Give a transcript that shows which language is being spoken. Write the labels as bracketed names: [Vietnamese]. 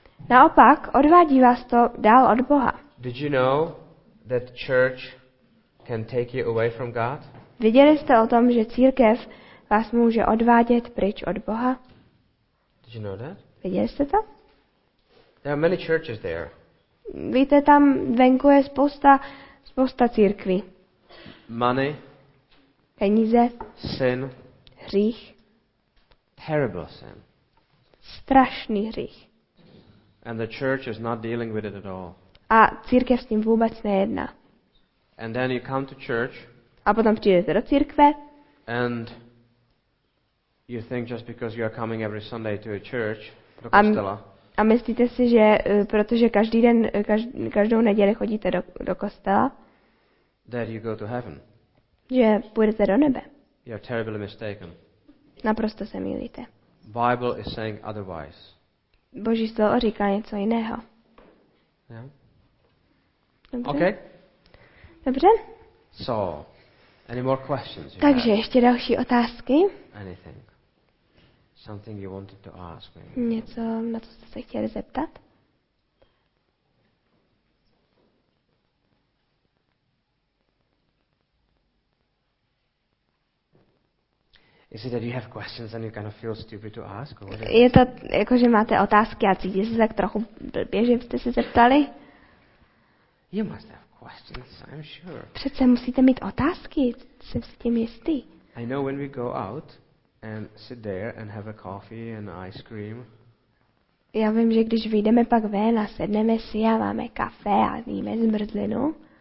[Czech] Naopak, odvádí vás to dál od Boha. [English] Did you know that church can take you away from God? [Czech] Věděli jste o tom, že církev vás může odvádět pryč od Boha? [English] Did you know that? [Czech] Věděli jste to? [English] There are many churches there. [Czech] Víte, tam venku je spousta církví. [English] Money. [Czech] Peníze. [English] Sin. [Czech] Hřích. [English] Terrible sin. [Czech] Strašný hřích. [English] And the church is not dealing with it at all. [Czech] A církev s tím vůbec nejedná. [English] And then you come to church. [Czech] A potom přijdete do církve. [English] And you think just because you are coming every Sunday to a church, [Czech] do kostela. A myslíte si, že protože každou neděli chodíte do kostela, [English] that you go to heaven. [Czech] Že půjdete do nebe. [English] You are terribly mistaken. [Czech] Naprosto se mýlíte. [English] Bible is saying otherwise. [Czech] Boží slovo říká něco jiného. [English] Yeah. [Czech] Dobře. [English] Okay. [Czech] Dobře. [English] So, any more questions? [Czech] Takže ještě další otázky. [English] Anything. Something you wanted to ask me. [Czech] Něco, na co jste se chtěli zeptat? [English] Is it that you have questions and you kind of feel stupid to ask? Or what? [Czech] Je to jako, že máte otázky a cítíte se tak trochu blbě, že jste se zeptali? [English] You must have questions, I'm sure. [Czech] Přece musíte mít otázky, jsem si tím jistý. [English] I know when we go out, and sit there and have a coffee and ice cream. [Czech] Já vím, že když vyjdeme pak ven a sedneme si a máme kafe a jíme zmrzlinu.